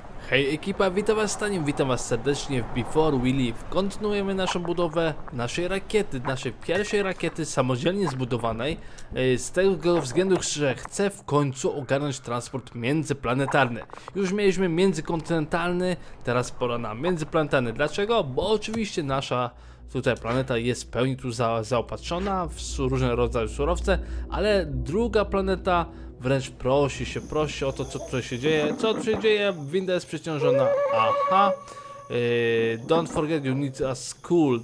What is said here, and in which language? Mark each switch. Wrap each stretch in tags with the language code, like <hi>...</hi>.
<pl>Hej ekipa, witam was Staniem, witam was serdecznie w Before We Leave. Kontynuujemy naszą budowę naszej rakiety, naszej pierwszej rakiety samodzielnie zbudowanej z tego względu, że chcę w końcu ogarnąć transport międzyplanetarny. Już mieliśmy międzykontynentalny, teraz pora na międzyplanetarny. Dlaczego? Bo oczywiście nasza tutaj planeta jest w pełni tu zaopatrzona w różne rodzaje surowce, ale druga planeta wręcz prosi się o to, co tutaj się dzieje. Co tu się dzieje? Winda jest przeciążona. Aha.</pl> <en>Don't forget you need a school.</en>